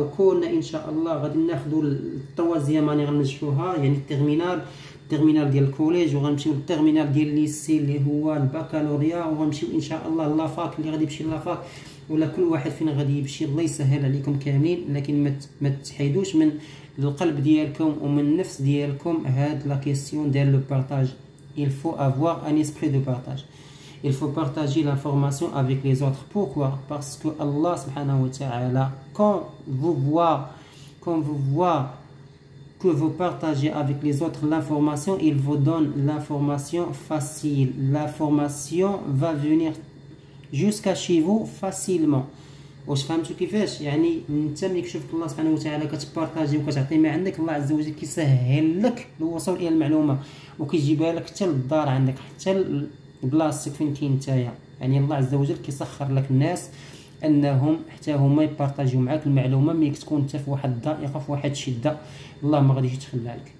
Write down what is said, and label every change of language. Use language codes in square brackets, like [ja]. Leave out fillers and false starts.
[ar] وكون ان شاء الله غادي ناخذوا التوازيام اني غنجحوها، يعني التيرمينال ديال الكوليج، وغنمشيو للتيرمينال ديال الليسي اللي هو البكالوريا، وغنمشيو ان شاء الله لافاك اللي غادي يمشي لافاك، ولا كل واحد فين غادي يمشي. الله يسهل عليكم كاملين، لكن ما تحيدوش من القلب ديالكم ومن النفس ديالكم هاد لا كيسيون ديال البارطاج. [fr] Il faut avoir un esprit de partage. Il faut partager l'information avec les autres. Pourquoi? Parce que Allah subhanahu wa ta'ala, quand vous voyez que vous partagez avec les autres l'information, il vous donne l'information facile. L'information va venir jusqu'à chez vous facilement. [ar] واش فهمتوا كيفاش؟ يعني انت ملي كتشوف الله سبحانه وتعالى كتبارطاجي وكتعطي ما عندك، الله عز وجل كيسهل لك الوصول الى المعلومه، وكيجيبها لك حتى للدار عندك، حتى لبلاصتك فين كاين نتايا. يعني الله عز وجل كيسخر لك الناس انهم حتى هما يبارطاجيو معاك المعلومه، ملي كتكون انت في واحد الضائقه، في واحد الشده، الله ما غاديش يتخلى عليك.